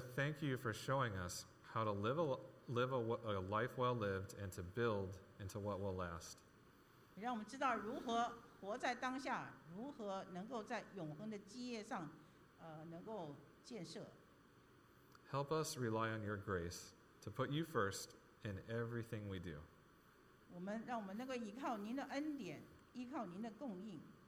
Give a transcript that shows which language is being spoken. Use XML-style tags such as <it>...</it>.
<en>thank you for showing us how to live a life well lived and to build into what will last.</en> <zh>让我们知道如何 活在当下，如何能够在永恒的基业上，能够建设。</zh> <en>Help us rely on your grace to put you first in everything we do.</en> <zh>让我们能够依靠您的恩典，依靠您的供应。</zh>